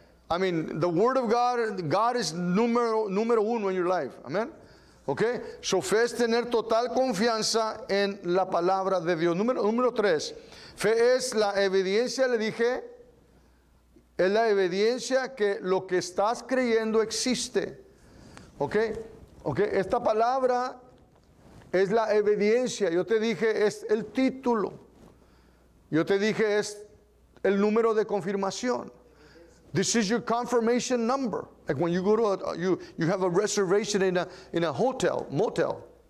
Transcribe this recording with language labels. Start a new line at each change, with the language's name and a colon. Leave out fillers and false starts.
English: I mean, the word of God is
Spanish: número uno
English: in your life. Amen. Okay?
Spanish: So fe es tener total confianza en la palabra de Dios. Número tres. Fe es la evidencia, le dije, es la evidencia que lo que estás creyendo existe. Ok, esta palabra es la evidencia. Yo te dije, es el título. Yo te dije, es el número de confirmación.
English: This is your confirmation number. Like when you go to you have a reservation in a hotel, motel.